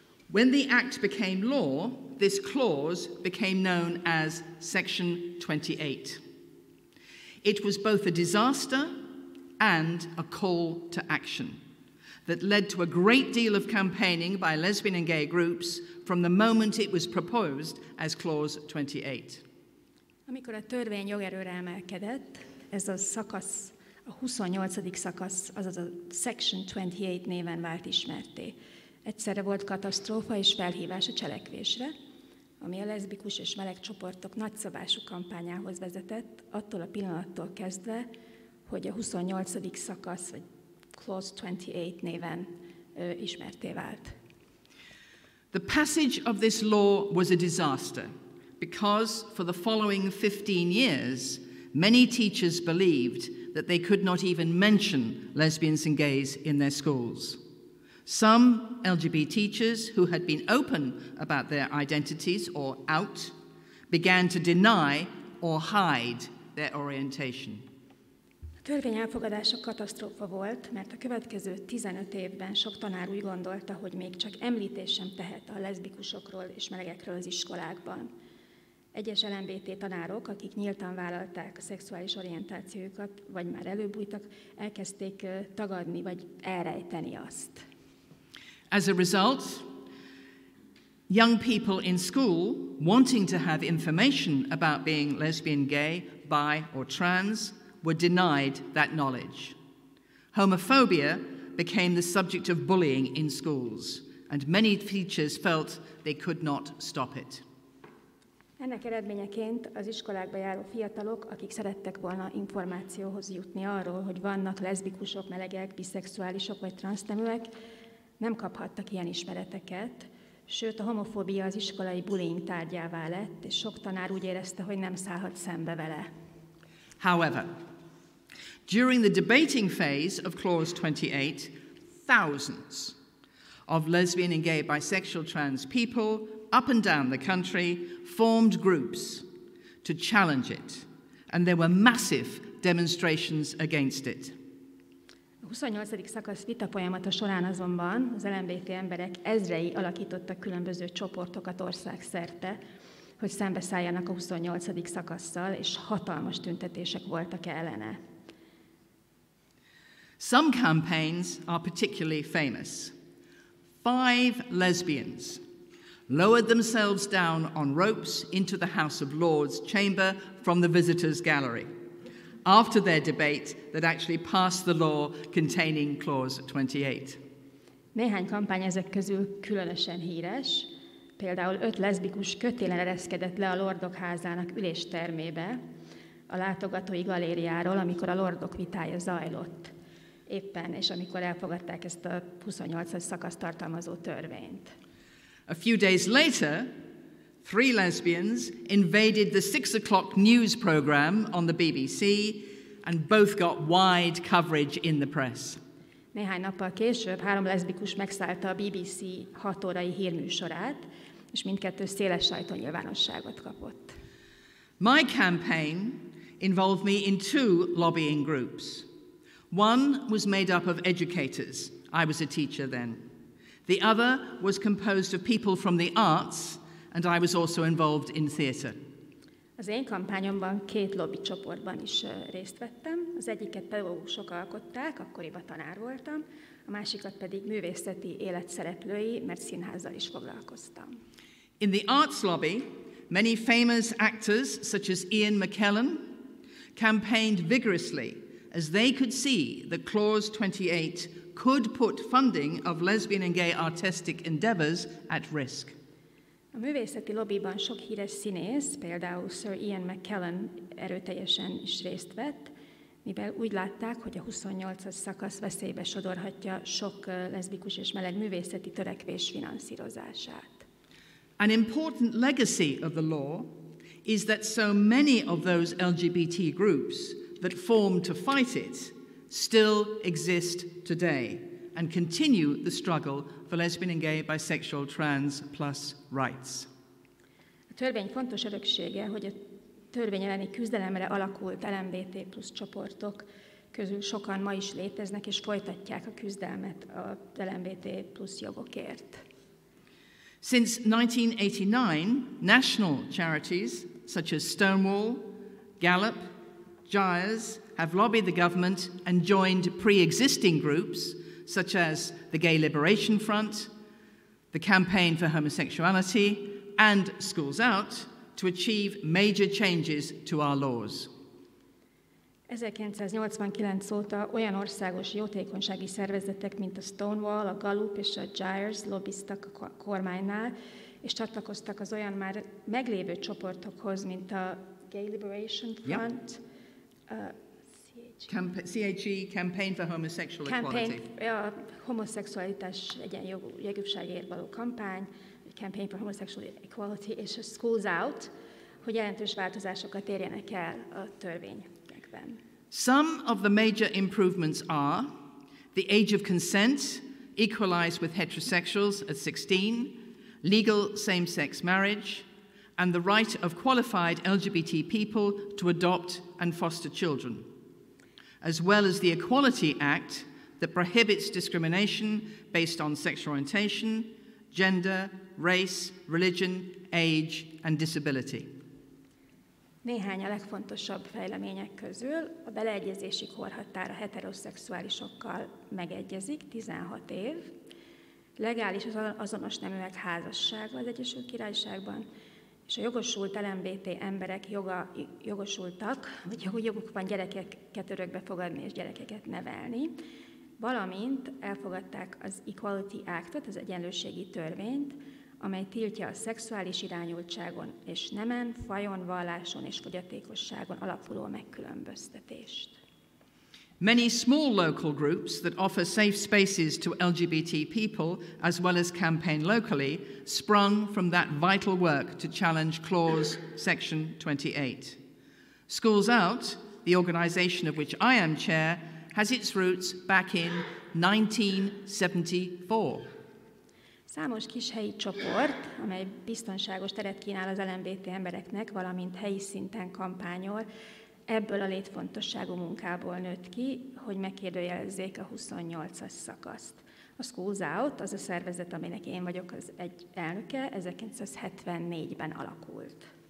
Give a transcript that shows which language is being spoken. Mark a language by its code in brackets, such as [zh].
[en] When the act became law, this clause became known as Section 28. It was both a disaster and a call to action that led to a great deal of campaigning by lesbian and gay groups from the moment it was proposed as Clause 28. [hu] Amikor a törvény jogerőre emelkedett, ez a szakasz, a 28. szakasz, azaz a Section 28 néven vált ismerté. Egyszerre volt katasztrófa és felhívás a cselekvésre, ami a leszbikus és meleg csoportok nagyszabású kampányához vezetett, attól a pillanattól kezdve, hogy a 28. szakasz, vagy Clause 28 néven ismerté vált. [en] The passage of this law was a disaster, because for the following 15 years, many teachers believed that they could not even mention lesbians and gays in their schools. Some LGBT teachers who had been open about their identities or out began to deny or hide their orientation. [hu] A törvény elfogadása katasztrófa volt, mert a következő 15 évben sok tanár úgy gondolta, hogy még csak említés sem tehet a leszbikusokról és melegekről az iskolákban. Egyes LMBT tanárok, akik nyíltan vállalták a szexuális orientációkat, vagy már előbb bújtak, elkezdték tagadni vagy elrejteni azt. [en] As a result, young people in school wanting to have information about being lesbian, gay, bi or trans were denied that knowledge. Homophobia became the subject of bullying in schools, and many teachers felt they could not stop it. [hu] Ennek eredményeként az iskolákba járó fiatalok, akik szerettek volna információhoz jutni arról, hogy vannak leszbikusok, melegek, biszexuálisok vagy transzneműek, nem kaphattak ilyen ismereteket, sőt a homofóbia az iskolai bullying tárgyává lett, és sok tanár úgy érezte, hogy nem szállhat szembe vele. [en] However, during the debating phase of Clause 28, thousands of lesbian and gay bisexual trans people up and down the country formed groups to challenge it, and there were massive demonstrations against it. [hu] A 28. szakasz vita folyamata során azonban az LMBT emberek ezrei alakítottak különböző csoportokat országszerte, hogy szembeszálljanak a 28. szakasszal, és hatalmas tüntetések voltak ellene. [en] Some campaigns are particularly famous. Five lesbians lowered themselves down on ropes into the House of Lords chamber from the visitors' gallery after their debate that actually passed the law containing clause 28. [hu] Néhány kampány ezek közül különösen híres. Például 5 leszbikus kötélen ereszkedett le a Lordok házának üléstermébe a látogatói galériáról, amikor a Lordok vitája zajlott éppen, és amikor elfogadták ezt a 28-as szakaszt tartalmazó törvényt. [en] A few days later, 3 lesbians invaded the 6 o'clock news program on the BBC and both got wide coverage in the press. [hu] Néhány nappal később 3 leszbikus megszállta a BBC 6 órai hírműsorát, és mindkettő széles sajtónyilvánosságot kapott. [en] My campaign involved me in 2 lobbying groups. One was made up of educators. I was a teacher then. The other was composed of people from the arts, and I was also involved in theatre. [hu] Az én kampányomban 2 lobby csoportban is részt vettem. Az egyiket pedagógusok alkották, akkoriban tanár voltam, a másikat pedig művészeti életszereplői, mert színházzal is foglalkoztam. [en] In the arts lobby, many famous actors, such as Ian McKellen, campaigned vigorously as they could see that Clause 28 could put funding of lesbian and gay artistic endeavors at risk. [hu] A művészeti lobbyban sok híres színész, például Sir Ian McKellen erőteljesen is részt vett, mivel úgy látták, hogy a 28-as szakasz veszélybe sodorhatja sok leszbikus és meleg művészeti törekvés finanszírozását. [en] An important legacy of the law is that so many of those LGBT groups that formed to fight it still exist today and continue the struggle for lesbian and gay, bisexual, trans plus rights. [hu] A törvény fontos öröksége, hogy a törvény elleni küzdelemre alakult LMBT plusz csoportok közül sokan ma is léteznek és folytatják a küzdelmet a LMBT plusz jogokért. [en] Since 1989, national charities such as Stonewall, Gallup, Gyres have lobbied the government and joined pre-existing groups such as the Gay Liberation Front, the Campaign for Homosexuality, and Schools Out to achieve major changes to our laws. [hu] 1989 óta olyan országos jótékonysági szervezetek, mint a Stonewall, a Gallup és a Gyres lobbiztak a kormánynál, és csatlakoztak az olyan már meglévő csoportokhoz, mint a Gay Liberation Front, [en] Campaign for Homosexual campaign, Equality. [hu] A homoszexualitás jogúságért való kampány, Campaign for Homosexual Equality, és a Schools Out, hogy jelentős változásokat érjenek el a törvény. [en] Some of the major improvements are the age of consent equalized with heterosexuals at 16, legal same-sex marriage, and the right of qualified LGBT people to adopt and foster children, as well as the Equality Act that prohibits discrimination based on sexual orientation, gender, race, religion, age, and disability. [hu] Néhány a legfontosabb fejlemények közül a beleegyezési korhatár a heteroszexuálisokkal megegyezik, 16 év. Legális az azonos neműek házassága az Egyesült Királyságban, és a jogosult LMBT emberek jogosultak, vagy joguk van gyerekeket örökbe fogadni és gyerekeket nevelni. Valamint elfogadták az Equality Act-ot, az egyenlőségi törvényt, amely tiltja a szexuális irányultságon és nemen, fajon, valláson és fogyatékosságon alapuló megkülönböztetést. [en] Many small local groups that offer safe spaces to LGBT people as well as campaign locally sprung from that vital work to challenge clause section 28. Schools Out, the organization of which I am chair, has its roots back in 1974. [hu] Számos kis helyi csoport, amely biztonságos teret kínál az LMBT embereknek, valamint helyi szinten kampányol, ebből a létfontosságú munkából nőtt ki, hogy megkérdőjelezzék a 28-as szakaszt. A Schools Out, az a szervezet, aminek én vagyok az egy elnöke, 1974-ben alakult.